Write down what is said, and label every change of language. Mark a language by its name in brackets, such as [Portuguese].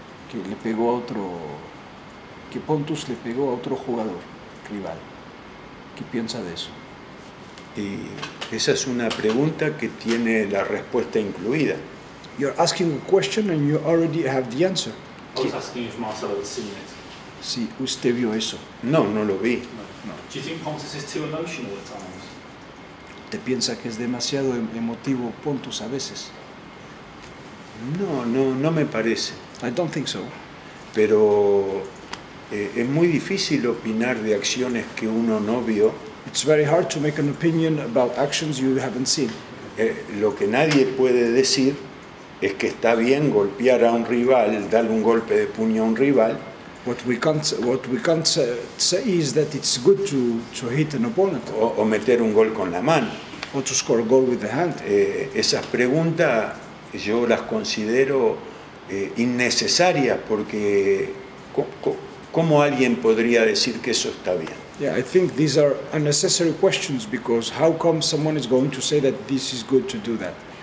[Spanish] Que le pegó a otro, que Pontus le pegó a otro jugador rival. ¿Qué piensa de eso? Y esa es una pregunta que tiene la respuesta incluida. [English] you're asking a question and you already have the answer. I was asking if Marcelo had seen it. [Spanish] Si, usted vio eso. No, no lo vi. No. No. [English] Do you think Pontus is too emotional at times? [Spanish] ¿Te piensa que es demasiado emotivo Pontus a veces? No, no, no me parece. [English] I don't think so. [Spanish] Pero es muy difícil opinar de acciones que uno no vio. [English] It's very hard to make an opinion about actions you haven't seen. [Spanish] Lo que nadie puede decir es que está bien golpear a un rival, darle un golpe de puño a un rival. [English] What we can't say is that it's good to hit an opponent. [Spanish] O meter un gol con la mano. [English] Or to score a goal with the hand. [Spanish] Esas preguntas yo las considero innecesarias porque ¿cómo alguien podría decir que eso está bien? [English] Yeah, I think these are unnecessary questions because how come someone is going to say that this is good to do that?